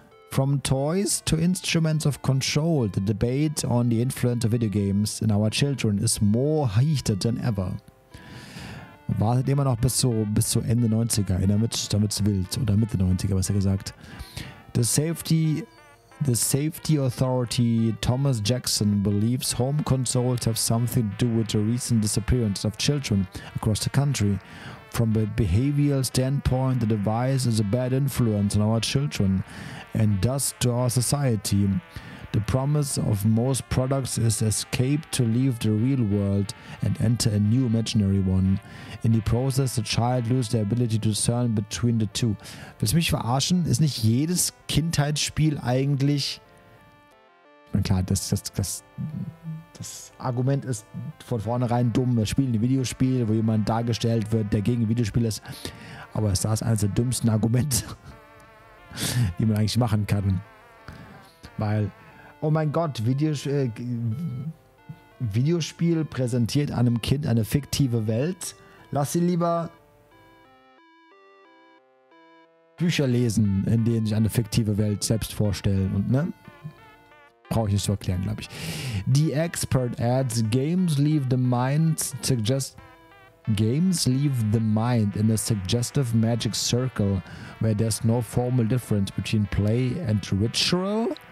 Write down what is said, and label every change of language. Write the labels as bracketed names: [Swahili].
[English] From toys to instruments of control, the debate on the influence of video games in our children is more heated than ever. [German] Wartet immer noch bis zu Ende 90er, damit es wild, oder Mitte 90er, besser gesagt. [English] The safety authority Thomas Jackson believes home consoles have something to do with the recent disappearance of children across the country. From a behavioral standpoint, the device is a bad influence on our children and thus to our society. The promise of most products is escape to leave the real world and enter a new imaginary one. In the process, the child loses the ability to discern between the two. [German] Willst du mich verarschen? Ist nicht jedes Kindheitsspiel eigentlich... Na klar, das Argument ist von vornherein dumm. Wir spielen ein Videospiel, wo jemand dargestellt wird, der gegen Videospiel ist. Aber es ist eines der dümmsten Argumente, die man eigentlich machen kann. Weil... Oh mein Gott, Videospiel präsentiert einem Kind eine fiktive Welt. Lass sie lieber Bücher lesen, in denen sich eine fiktive Welt selbst vorstellen. Und ne? Brauche ich nicht zu erklären, glaube ich. [English] The expert adds, Games leave the mind in a suggestive magic circle where there's no formal difference between play and ritual.